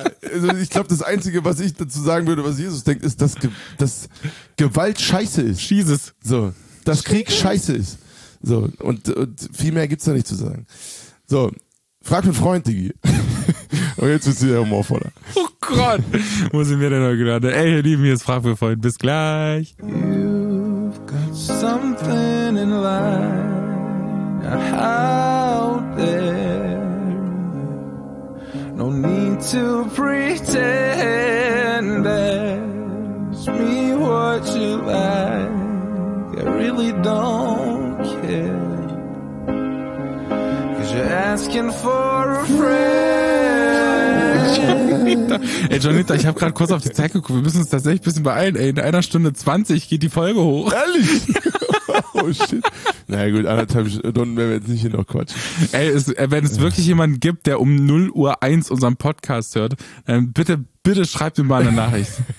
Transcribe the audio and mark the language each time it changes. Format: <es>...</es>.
<de>Also ich glaube, das Einzige, was ich dazu sagen würde, was Jesus denkt, ist, dass Gewalt scheiße ist. Jesus. So. Dass Krieg scheiße ist. So. Und viel mehr gibt's da nicht zu sagen. So, frag mit Freund, Digi. Und jetzt wird's wieder humorvoller. Oh Gott, wo sind wir denn heute gerade? Ey, ihr Lieben, hier ist Frag mit Freund. Bis gleich.</de> <en>You've got something in life out there. No need to pretend. Ask me what you like. I really don't care. You're asking for a friend.</en> <de>Ey, Jonita, ich habe gerade kurz auf die Zeit geguckt. Wir müssen uns tatsächlich ein bisschen beeilen. Ey, in 1:20 geht die Folge hoch. Ehrlich? Oh shit. Naja gut, 1,5 Stunden werden wir jetzt nicht hier noch quatschen. Ey, wenn es wirklich jemanden gibt, der um 0:01 unseren Podcast hört, dann bitte schreib mir mal eine Nachricht.</de>